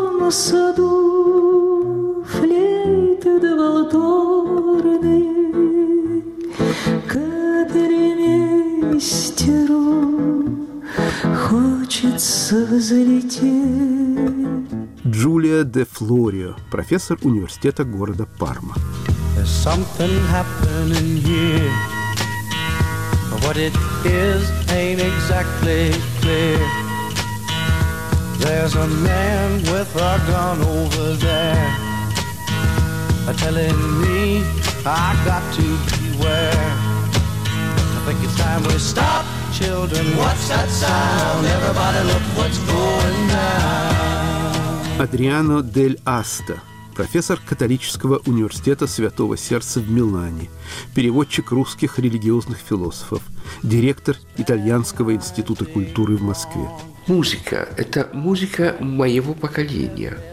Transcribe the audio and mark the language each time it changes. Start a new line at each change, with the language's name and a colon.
Russian: Саду флейты да валторны, капель месть. ветерок хочется взлететь. Джулия де Флорио, профессор университета города Парма.
English: There's something happening here. What it is ain't exactly clear. There's a man with a gun over there telling me I got to beware. I think it's time we stop, children. What's that sound? Everybody look what's going down.
Russian: Адриано дель Аста, профессор католического университета Святого Сердца в Милане, переводчик русских религиозных философов, директор Итальянского института культуры в Москве. Музыка – это музыка моего поколения.